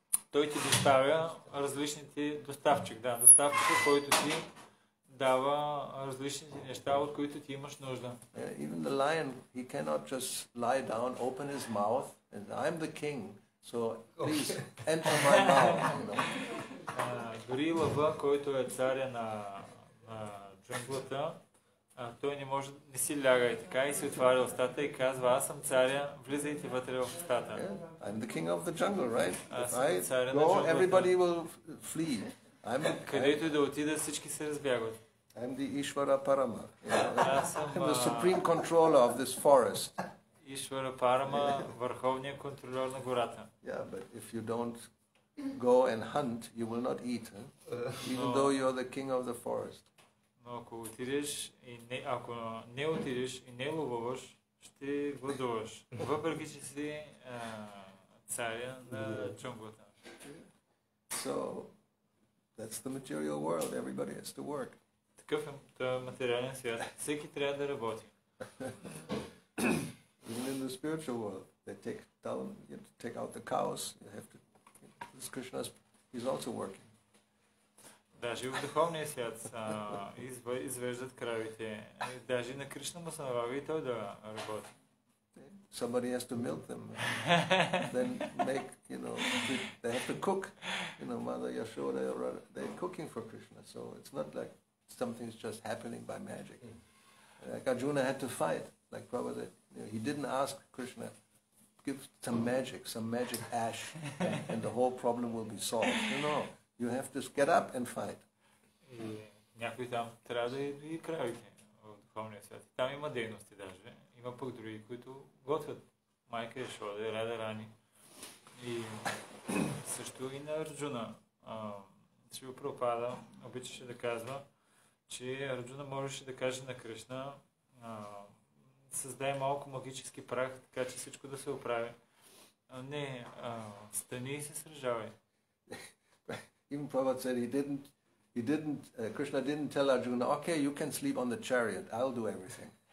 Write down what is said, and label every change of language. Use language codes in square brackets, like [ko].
[bg] той ти доставя различните... доставчик, да. Доставчик, който ти дава различните неща, от които ти имаш нужда. [en] Even the lion, he cannot just lie down, open his mouth, and I'm the king, so please, enter my mouth. You know. [bg] Дори лъва, който е царя на джунглата, той не може, не си ляга и така, и си отваря устата и казва, аз съм царя, влизайте вътре в устата. [en] Yeah, I'm the king of the jungle, right? [bg] Аз съм царя на джунглата. [en] Go, everybody will flee. [bg] Където и да отида, всички се разбягват. [en] I'm the Ishvara Parama. I'm the supreme controller of this forest. [bg] Ishvara Parama, върховният контролер на гората. [en] Yeah, but if you don't go and hunt, you will not eat, even though you are the king of the forest. [bg] Но ако отидеш и не, ако не отидеш и не ловуваш, ще гладуваш. Въпреки че си царя на джунглата. [en] So that's the material world. Everybody has to work. [bg] Такъв е материален свят. Всеки трябва да работи. [en] Even in the spiritual world, they take down, you have to take out the cows. You have to. This Krishna is also working. [bg] Даже в духовния свят извеждат кравите. Даже на Кришна му се налага и той да работи. [en] Somebody has to milk them. Then make, you know, they have to cook. You know, Mother Yashoda, they're cooking for Krishna. So it's not like something's just happening by magic. Like Arjuna had to fight. Like Prabhupada, you know, he didn't ask Krishna, give some magic ash, and the whole problem will be solved. You know, you have to get up and fight. [bg] Някой там трябва да и кравите в духовния свят. Там има дейности даже. Има пък други, които готвят. Майка Ешода, Рада Рани. И също и на Арджуна. Шри Прабхупада обичаше да казва, че Арджуна можеше да каже на Кришна, създай малко магически прах, така че всичко да се оправи. Не, стани и се сражавай. [en] Even Prabhupada said Krishna didn't tell Arjuna, okay, you can sleep on the chariot, I'll do everything.